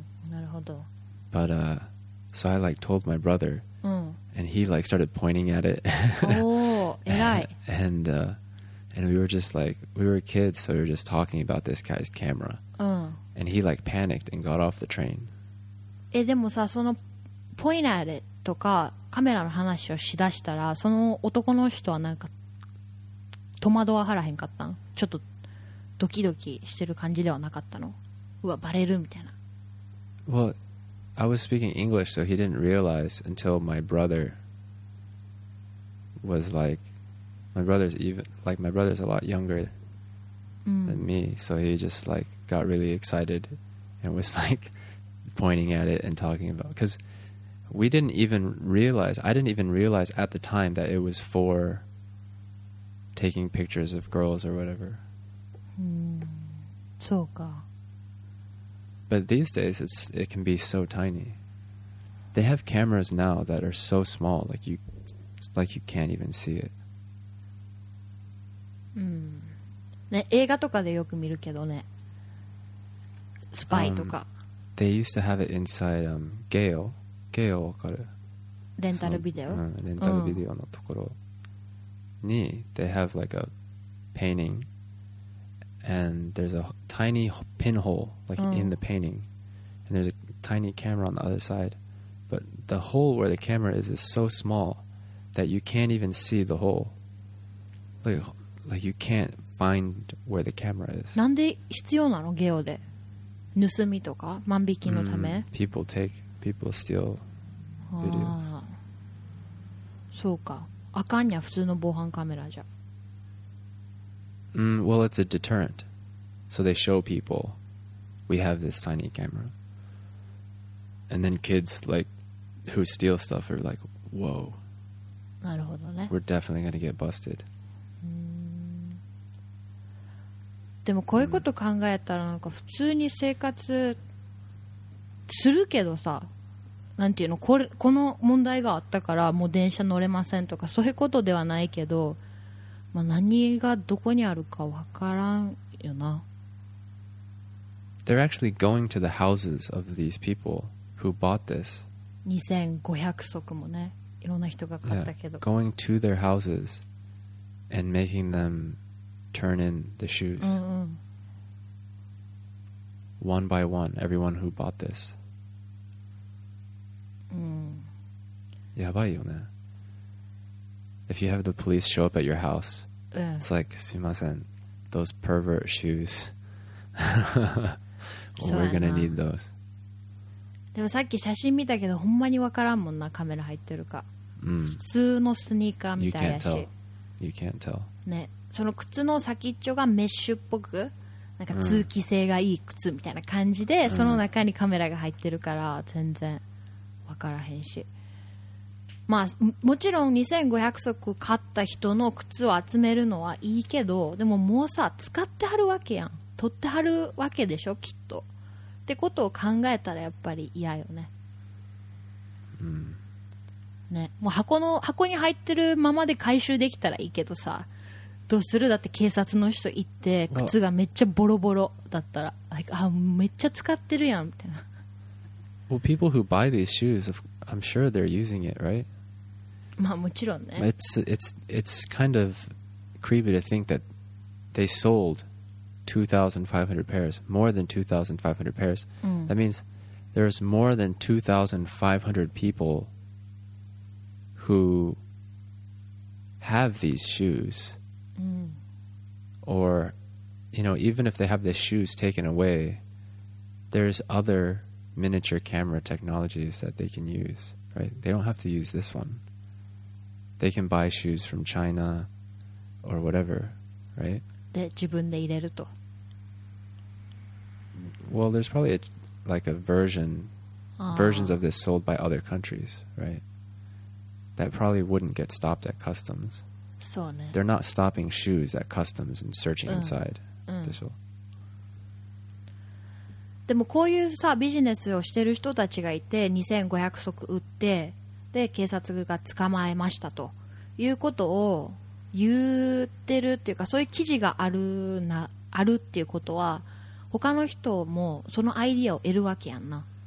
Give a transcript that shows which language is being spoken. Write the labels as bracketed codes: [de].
[ja] なるほど。 [en] But, so I like told my brother, and he like started pointing at it. [ja] Oh, 偉い。 [en] And we were just like, we were kids, so we were just talking about this guy's camera. And he like panicked and got off the train. [ja] え、でもさ、そのポイナーレとかカメラの話をしだしたら、その男の人はなんか戸惑わはらへんかったん？ちょっとドキドキしてる感じではなかったの？うわバレるみたいな。 [en] Well, I was speaking English, so he didn't realize until my brother was like, my brother's a lot younger than me, so he just like got really excited and was like pointing at it and talking about. Because we didn't even realize, I didn't even realize at the time that it was for taking pictures of girls or whatever. [ja] そうか。 [en] But these days, it can be so tiny. They have cameras now that are so small, like you can't even see it. [ja] ね、映画とかでよく見るけどね。スパイとか。 [en] They used to have it inside Gale. Gale [ja] わかる？レンタルビデオ。レンタルビデオのところに、 [en] they have like a painting. And there's a tiny pinhole, like in the painting. And there's a tiny camera on the other side. But the hole where the camera is so small that you can't even see the hole. Like you can't find where the camera is. [ja] なんで必要なの？ゲオで。盗みとか？万引きのため？ [en] People steal videos. [ja] そうか。あかんや、普通の防犯カメラじゃ。 [en] Well, it's a deterrent. So they show people, we have this tiny camera. And then kids like who steal stuff are like, whoa. [ja] なるほどね。 [en] We're definitely going to get busted. [ja] でもこういうこと考えたらなんか普通に生活するけどさ、なんていうの、この問題があったからもう電車乗れませんとかそういうことではないけど、まあ、何がどこにあるかわからんよな。 [en] They're actually going to the houses of these people who bought this. [ja] 2500足もね、いろんな人が買ったけど。 [en] Yeah, going to their houses and making them turn in the shoes. One by one, everyone who bought this. [ja] やばいよね。 [en] If you have the police show up at your house,It's like, [ja] すいません [en] those pervert shoes. well, we're gonna need those. [ja] でもさっき写真見たけどほんまにわからんもんな、カメラ入ってるか。普通のスニーカーみたいやし。 [en] You can't tell. You can't tell. [ja] ね、その靴の先っちょがメッシュっぽく、なんか通気性がいい靴みたいな感じで、その中にカメラが入ってるから全然わからへんし。まあ、もちろん2500足買った人の靴を集めるのはいいけど、でももうさ使ってはるわけやん、取ってはるわけでしょきっと、ってことを考えたらやっぱり嫌よね。ね、もう箱に入ってるままで回収できたらいいけどさ、どうする？だって警察の人行って靴がめっちゃボロボロだったら、like、あめっちゃ使ってるやんみたいな。 [en] Well, people who buy these shoes, I'm sure they're using it, right? [ja] まあもちろんね。 [en] It's kind of creepy to think that they sold 2,500 pairs, more than 2,500 pairs. That means there's more than 2,500 people who have these shoes. Or, you know, even if they have the shoes taken away, there's other... miniature camera technologies that they can use, right? They don't have to use this one. They can buy shoes from China or whatever, right? [ja] で、自分で入れると。 [en] Well, there's probably versions of this sold by other countries, right? That probably wouldn't get stopped at customs. [ja] そうね。 [en] They're not stopping shoes at customs and searching inside. [ja] でもこういうさビジネスをしてる人たちがいて2500足売ってで警察が捕まえましたということを言ってるっていうか、そういう記事がああるっていうことは他の人もそのアイディアを得るわけやんな。